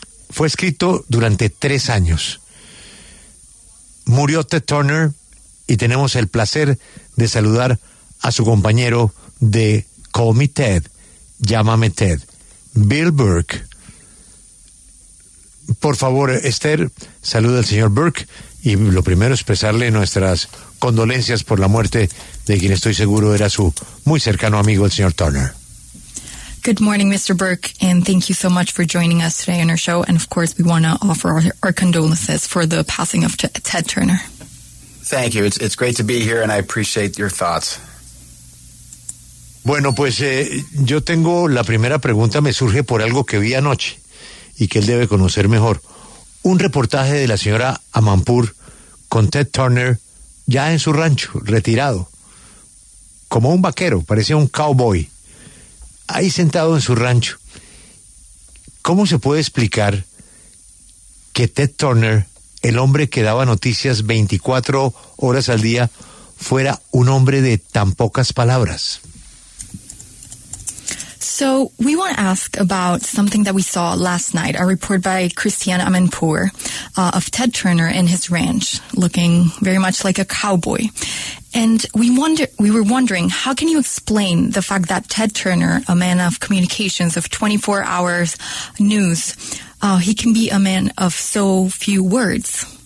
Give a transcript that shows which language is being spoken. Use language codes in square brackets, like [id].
[es] Fue escrito durante 3 años. Murió Ted Turner y tenemos el placer de saludar a su compañero de Call Me Ted, Llámame Ted, Bill Burke. Por favor, Esther, saluda al señor Burke y lo primero expresarle nuestras condolencias por la muerte de quien estoy seguro era su muy cercano amigo, el señor Turner. [en] Good morning, Mr. Burke, and thank you so much for joining us today on our show. And of course, we want to offer our condolences for the passing of Ted Turner. Thank you. It's great to be here, and I appreciate your thoughts. [es] Bueno, pues yo tengo la primera pregunta, me surge por algo que vi anoche y que él debe conocer mejor. Un reportaje de la señora Amanpour con Ted Turner ya en su rancho, retirado, como un vaquero, parecía un cowboy. Ahí sentado en su rancho, ¿cómo se puede explicar que Ted Turner, el hombre que daba noticias 24 horas al día, fuera un hombre de tan pocas palabras? [en] So, we want to ask about something that we saw last night, a report by Christiane Amanpour of Ted Turner in his ranch, looking very much like a cowboy. And we were wondering, how can you explain the fact that Ted Turner, a man of communications, of 24 hours news, he can be a man of so few words?